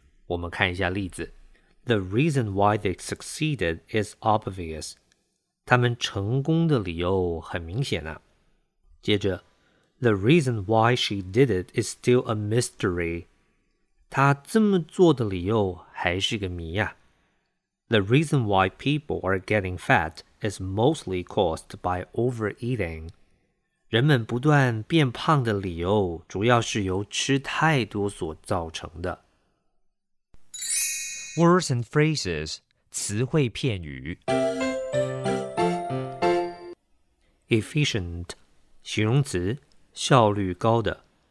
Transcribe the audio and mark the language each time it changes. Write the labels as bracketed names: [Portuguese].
[Chinese] 我们看一下例子。 [English] The reason why they succeeded is obvious. [Chinese] 他们成功的理由很明显啊。接着 [English] ,The reason why she did it is still a mystery. [Chinese] 她这么做的理由还是个谜啊。 [English] The reason why people are getting fat is mostly caused by overeating. [Chinese] 人们不断变胖的理由主要是由吃太多所造成的。 [English] Words and phrases, [Chinese] 词汇片语。 Efficient, 形容词效率高的。